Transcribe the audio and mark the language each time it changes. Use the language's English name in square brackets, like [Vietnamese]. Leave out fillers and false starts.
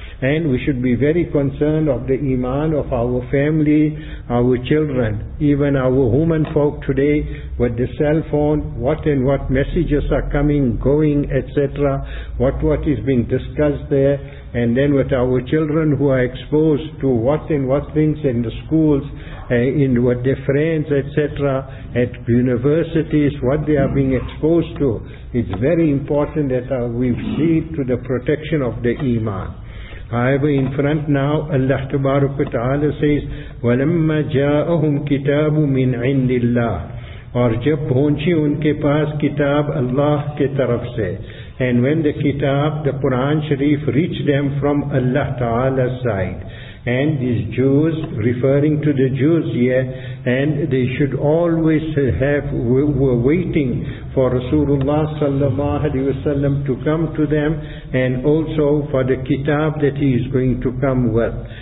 [English] And we should be very concerned of the iman of our family, our children, even our human folk today, with the cell phone, what and what messages are coming, going, etc., what is being discussed there, and then with our children who are exposed to what and what things in the schools, in what their friends, etc., at universities, what they are being exposed to. It's very important that we see to the protection of the iman. However, in front now, Allah Tabaraka wa Ta'ala says, [Arabic] وَلَمَّا جَاءَهُمْ كِتَابٌ مِّنْ عِنْدِ اللَّهِ. [Urdu] اور جب پہنچی ان کے پاس کتاب اللہ کے طرف سے. [English] And when the kitab, the Quran Sharif, reached them from Allah Ta'ala's side. And these Jews, referring to the Jews here, and they should always have, were waiting for Rasulullah sallallahu alaihi wasallam to come to them, and also for the kitab that he is going to come with.